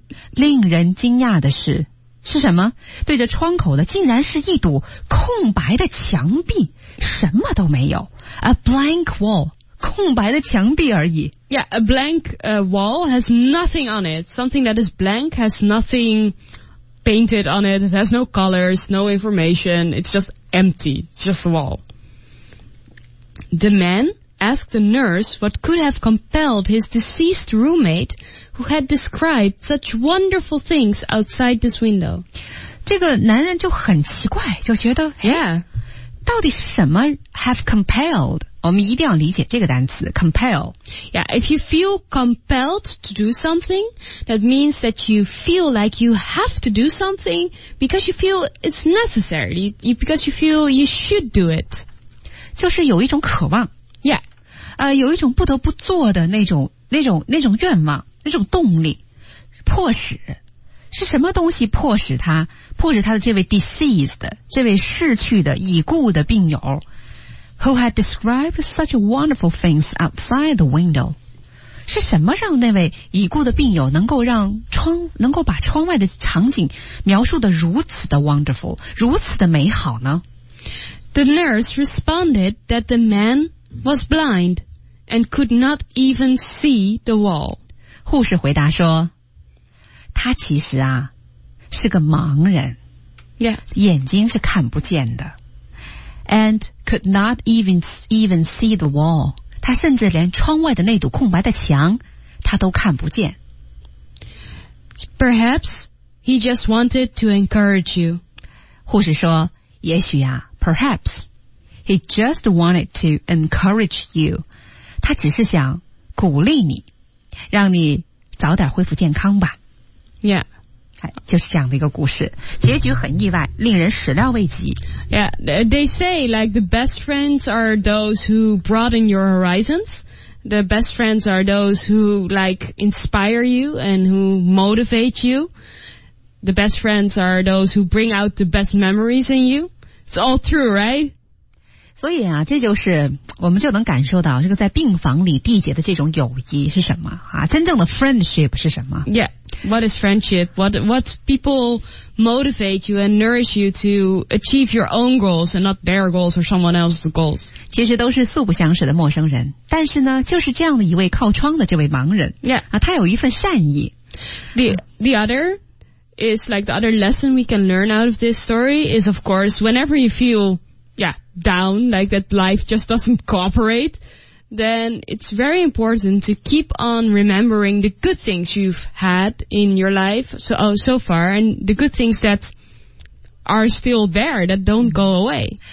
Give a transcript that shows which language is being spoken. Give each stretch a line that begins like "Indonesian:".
Chinese: 令人惊讶的是什么对着窗口的竟然是一堵空白的墙壁什么都没有
English: a blank wall
Chinese: 空白的墙壁而已。
English: Yeah, a blank、wall has nothing on it. Something that is blank has nothing painted on it. It has no colors, no information. It's just empty, just the wall. The man asked the nurse what could have compelled his deceased roommate who had described such wonderful things outside this window.
Chinese: 这个男人就很奇怪，就觉得
English: Yeah.
Chinese: 到底什么 have compelled? 我们一定要理解这个单词 compel.
English: Yeah, if you feel compelled to do something, that means that you feel like you have to do something because you feel it's necessary, because you feel you should do it.
Chinese: 就是有一种渴望。
English: Yeah.
Chinese: 有一种不得不做的那种愿望那种动力迫使。是什么东西迫使他的这位 deceased, 这位逝去的已故的病友
English: Who had described such wonderful things outside the window?
Chinese: 是什么让那位已故的病友能够把窗外的场景描述得如此的 wonderful, 如此的美好呢?
English: The nurse responded that the man was blind and could not even see the wall.
Chinese: 护士回答说，他其实啊，是个盲人。
English: Yeah.
Chinese: 眼睛是看不见的。
English: And could not even see the wall.
Chinese: 他甚至连窗外的那堵空白的墙他都看不见。
English: Perhaps he just wanted to encourage you.
Chinese: 护士说也许啊
English: perhaps he just wanted to encourage you.
Chinese: 他只是想鼓励你让你早点恢复健康吧。
English: Yeah.
Chinese: 就是这样的一个故事，结局很意外，令人始料未及。
English: Yeah, they say like the best friends are those who broaden your horizons. The best friends are those who like inspire you and who motivate you. The best friends are those who bring out the best memories in you. It's all true, right?
Chinese: 所以啊，这就是我们就能感受到这个在病房里缔结的这种友谊是什么啊？真正的 friendship 是什么
English: ？Yeah, what is friendship? What people motivate you and nourish you to achieve your own goals and not their goals or someone else's goals?
Chinese: 其实都是素不相识的陌生人，但是呢，就是这样的一位靠窗的这位盲人
English: ，Yeah
Chinese: 啊，他有一份善意。
English: The other. Is like the other lesson we can learn out of this story is, of course, whenever you feel, yeah, down, like that life just doesn't cooperate, then it's very important to keep on remembering the good things you've had in your life so far and the good things that are still there, that don't go away.